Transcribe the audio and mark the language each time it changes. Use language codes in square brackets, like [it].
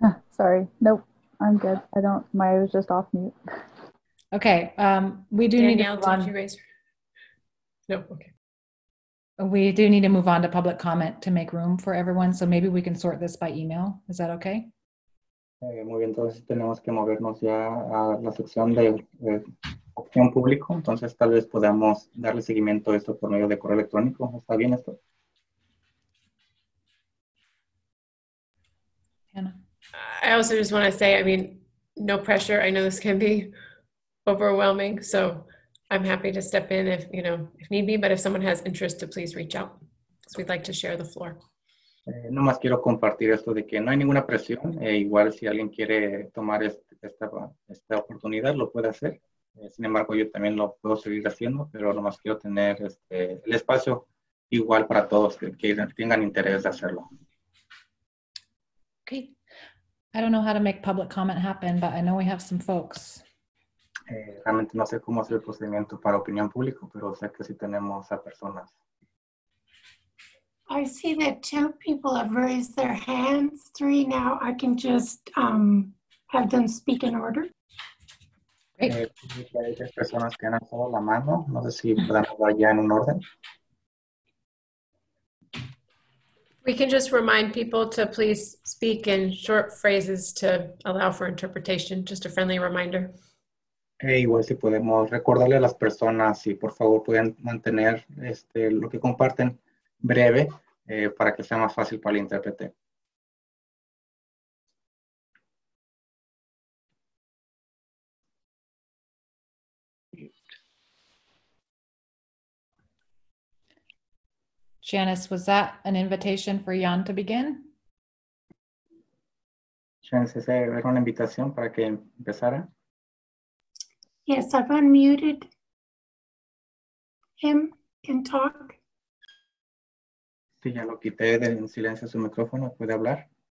[en] Sorry. Nope. I'm good. I was just off mute. Okay. We do Danielle, need to move on. Did you raise her? Nope. Okay. We do need to move on to public comment to make room for everyone. So maybe we can sort this by email. Is that okay? [es] Muy bien. Entonces tenemos que movernos ya a la sección de opción público. Entonces tal vez podamos darle seguimiento a esto por medio de correo electrónico. ¿Está bien esto? [en] I also just want to say, I mean, no pressure. I know this can be overwhelming, so I'm happy to step in if need be, but if someone has interest to please reach out, because we'd like to share the floor. [es] No más quiero compartir esto de que no hay ninguna presión. Igual si alguien quiere tomar esta oportunidad, lo puede hacer. Sin embargo, yo también lo puedo seguir haciendo, pero no más quiero tener el espacio igual para todos que tengan interés de hacerlo. [en] Okay. I don't know how to make public comment happen, but I know we have some folks. [es] Realmente no sé cómo hacer el procedimiento para opinión público, pero sé que sí tenemos a personas. [en] I see that two people have raised their hands, three now. I can just have them speak in order. Great. [es] Hay tres personas que han alzado la mano. No sé si podemos hablar ya en un orden. [en] We can just remind people to please speak in short phrases to allow for interpretation. Just a friendly reminder. [es] Igual si podemos recordarle a las personas si por favor pueden mantener lo que comparten breve para que sea más fácil para el intérprete. [en] Janice, was that an invitation for Jan to begin? [es] Janice, ¿esa era una invitación para que empezara? [en] Yes, I've unmuted him and talk. [es] Sí, ya lo quité del silencio su micrófono, puede hablar.